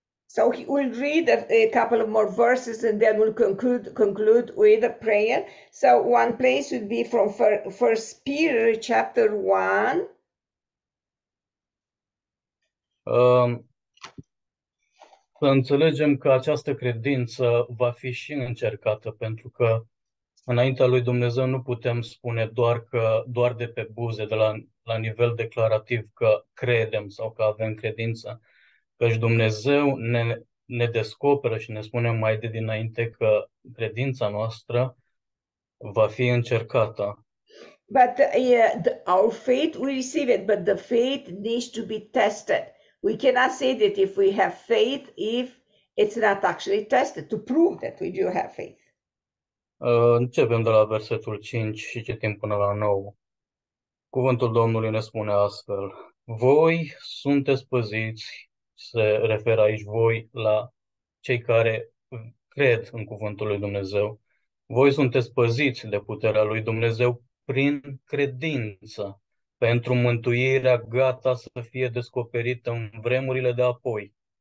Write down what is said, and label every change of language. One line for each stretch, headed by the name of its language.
English: So he will read a couple of more verses and then we'll conclude with a prayer. So one place would be from First Peter chapter 1.
Romanian: Să înțelegem că această credință va fi și încercată, pentru că înaintea lui Dumnezeu nu putem spune doar de pe buze, de la nivel declarativ că credem sau că avem credință. Căci Dumnezeu ne descoperă și ne spune mai de dinainte că credința noastră va fi încercată.
English: But our faith, we receive it, but the faith needs to be tested. We cannot say that if we have faith, if it's not actually tested, to prove that we do have faith.
Romanian: Începem de la versetul 5 și citim până la 9. Cuvântul Domnului ne spune astfel. Voi sunteți păziți. Se referă aici voi la cei care cred în cuvântul lui Dumnezeu. Voi sunteți păziți de puterea lui Dumnezeu prin credință, pentru mântuirea gata să fie descoperită în vremurile de apoi.